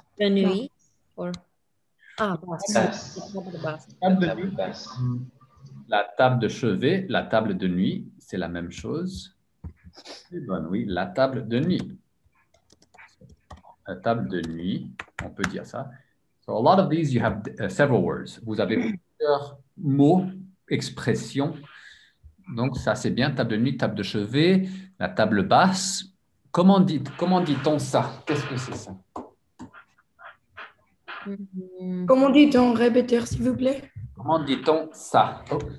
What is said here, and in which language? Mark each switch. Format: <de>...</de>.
<fr>De nuit. Ah, basse. La table de chevet, la table de nuit, c'est la même chose. C'est bon, oui, la table de nuit. La table de nuit, on peut dire ça.</fr> <en>So a lot of these, you have several words.</en> <fr>Vous avez plusieurs mots, expressions. Donc ça, c'est bien, table de nuit, table de chevet, la table basse. Comment dit-on ça? Qu'est-ce que c'est ça? Comment dit-on, répéteur, s'il vous plaît? Comment dit-on ça? Oh.</fr>